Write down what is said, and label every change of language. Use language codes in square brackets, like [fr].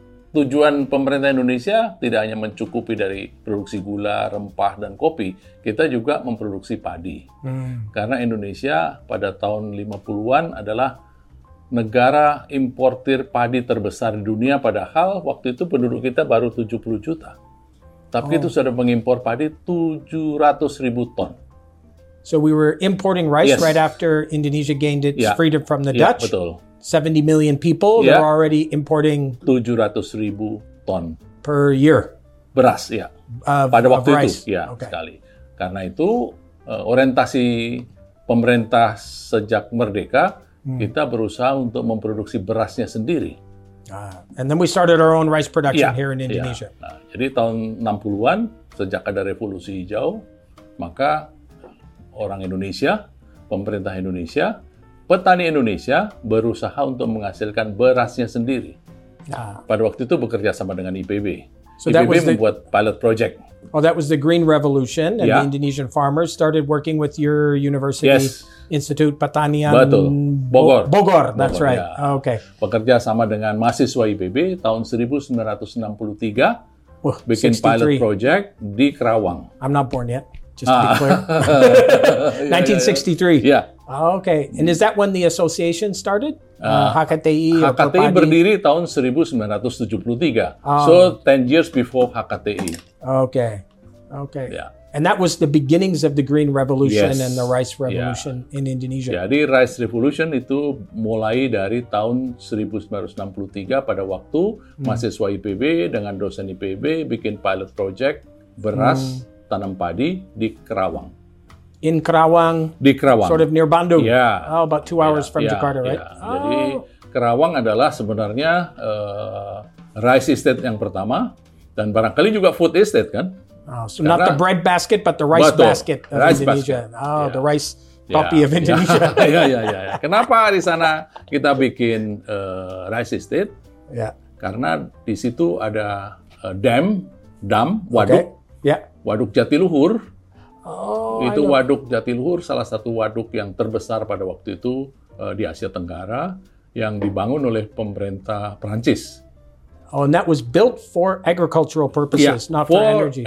[id] tujuan pemerintah Indonesia tidak hanya mencukupi dari produksi gula, rempah, dan kopi, kita juga memproduksi padi. Hmm. Karena Indonesia pada tahun 50-an adalah negara importir padi terbesar di dunia, padahal waktu itu penduduk kita baru 70 juta. Tapi itu sudah mengimpor padi 700 ribu ton. [en] So we were importing rice right after Indonesia gained its freedom from the Dutch. [id] Betul. [en] 70 million people are already importing [id] 700 ribu ton [en] per year. [id] Beras, ya. Pada waktu itu, ya, sekali. Karena itu orientasi pemerintah sejak merdeka, kita berusaha untuk memproduksi berasnya sendiri. [en] And then we started our own rice production here in Indonesia. [id] Nah, jadi tahun 60-an sejak ada revolusi hijau, maka orang Indonesia, pemerintah Indonesia, petani Indonesia berusaha untuk menghasilkan berasnya sendiri. Pada waktu itu bekerja sama dengan IPB. So IPB membuat pilot project. [en] Oh, that was the Green Revolution, and the Indonesian farmers started working with your university, Institute Pertanian Bogor. Bogor, that's Bogor, right. Yeah. Okay. [id] Bekerja sama dengan mahasiswa IPB tahun 1963, bikin 63. Pilot project di Kerawang. [en] I'm not born yet, just to be clear. 1963. Okay, and is that when the association started? [id] HKTI berdiri tahun 1973. [en] So 10 years before HKTI. Okay. Okay. Yeah. And that was the beginnings of the Green Revolution and the Rice Revolution in Indonesia. [id] Jadi Rice Revolution itu mulai dari tahun 1963 pada waktu mahasiswa IPB dengan dosen IPB bikin pilot project beras tanam padi di Kerawang. [en] In Kerawang, [id] di Kerawang, [en] sort of near Bandung, yeah. Oh, about 2 hours from Jakarta, right? Yeah. Oh. [id] Jadi Kerawang adalah sebenarnya rice estate yang pertama, dan barangkali juga food estate, kan? [en] So not the bread basket, but the rice basket of rice Indonesia. Basket. Oh, the rice poppy of Indonesia. [id] Kenapa di sana kita bikin rice estate? Karena di situ ada dam, waduk, waduk Jatiluhur. Itu waduk Jatiluhur, salah satu waduk yang terbesar pada waktu itu di Asia Tenggara, yang dibangun oleh pemerintah Perancis. [en] Oh, and that was built for agricultural purposes, not for energy.